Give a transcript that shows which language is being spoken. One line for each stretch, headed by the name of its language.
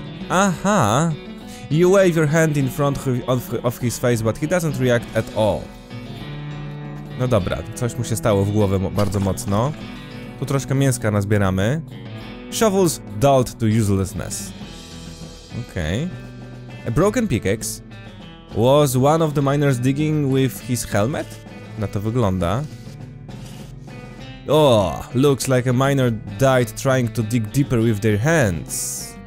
English: Aha! You wave your hand in front of his face, but he doesn't react at all.
Polish: No dobra, coś mu się stało w głowie bardzo mocno. Tu troszkę mięska nazbieramy.
English: Shovels dulled to uselessness. Okej. Okay. A broken pickaxe. Was one of the miners digging with his helmet?
Polish: Na to wygląda.
English: Oh, looks like a miner died trying to dig deeper with their hands.